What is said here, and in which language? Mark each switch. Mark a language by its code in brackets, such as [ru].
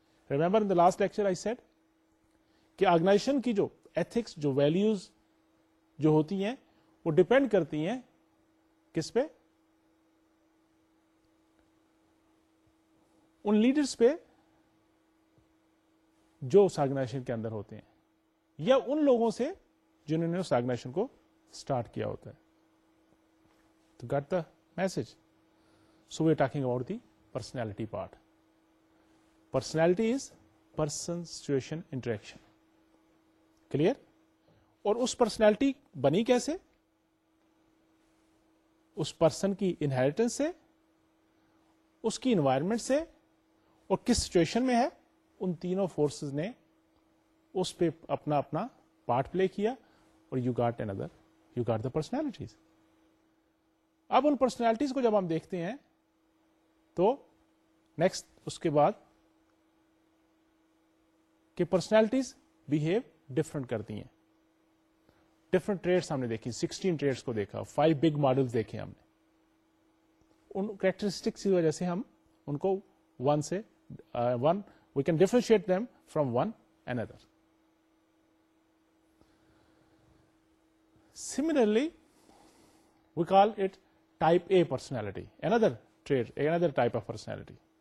[en] remember in the last lecture I said [ur] کہ organization کی جو ایتھکس جو ویلیوز جو ہوتی ہیں وہ ڈپینڈ کرتی ہیں کس پہ, ان لیڈرز پہ جو اس آرگنائزیشن کے اندر ہوتے ہیں یا ان لوگوں سے جنہوں نے اس آرگنائزیشن کو اسٹارٹ کیا ہوتا ہے. [en] تو get the message. So we are talking about the personality part. Personality is person situation interaction. Clear. [ur] اور اس پرسنالٹی بنی کیسے, اس پرسن کی انہیریٹنس سے, اس کی انوائرمنٹ سے, اور کس سچویشن میں ہے, ان تینوں فورسز نے اس پہ اپنا اپنا پارٹ پلے کیا اور [en] You got اندر you got the personalities. [ur] اب ان پرسنالٹیز کو جب ہم دیکھتے ہیں تو نیکسٹ اس کے بعد کہ پرسنالٹیز بیہیو ڈفرنٹ کرتی ہیں, ڈفرنٹ ٹریٹس ہم نے دیکھی, 16 ٹریٹس کو دیکھا, 5 بگ ماڈلز دیکھے ہم نے, ان کریکٹرسٹکس کی وجہ سے ہم ان کو ون سے one [en] We can differentiate them from one another. Similarly we call it type A personality, another trait, another type of personality.